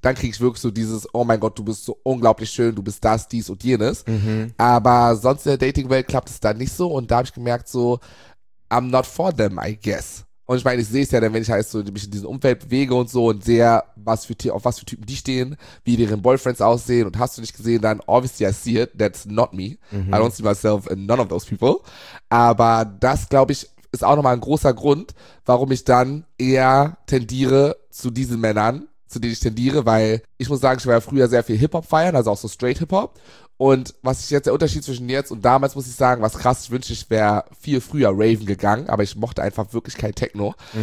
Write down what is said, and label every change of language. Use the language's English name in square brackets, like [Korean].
[German] Dann kriege ich wirklich so dieses, oh mein Gott, du bist so unglaublich schön, du bist das, dies und jenes. Aber sonst in der Dating-Welt klappt es da nicht so. Und da habe ich gemerkt so, [English] I'm not for them, I guess. [German] Und ich meine, ich sehe es ja dann, wenn ich halt so mich in diesem Umfeld bewege und so und sehe, was für, auf was für Typen die stehen, wie deren Boyfriends aussehen. Und hast du nicht gesehen, dann [English] obviously I see it, that's not me. I don't see myself in none of those people. [German] Aber das, glaube ich, ist auch nochmal ein großer Grund, warum ich dann eher tendiere zu diesen Männern, zu denen ich tendiere, weil ich muss sagen, ich war ja früher sehr viel Hip-Hop feiern, also auch so Straight-Hip-Hop. Und was ich jetzt, der Unterschied zwischen jetzt und damals, muss ich sagen, was krass, ich wünschte, ich wäre viel früher Raven gegangen, aber ich mochte einfach wirklich kein Techno.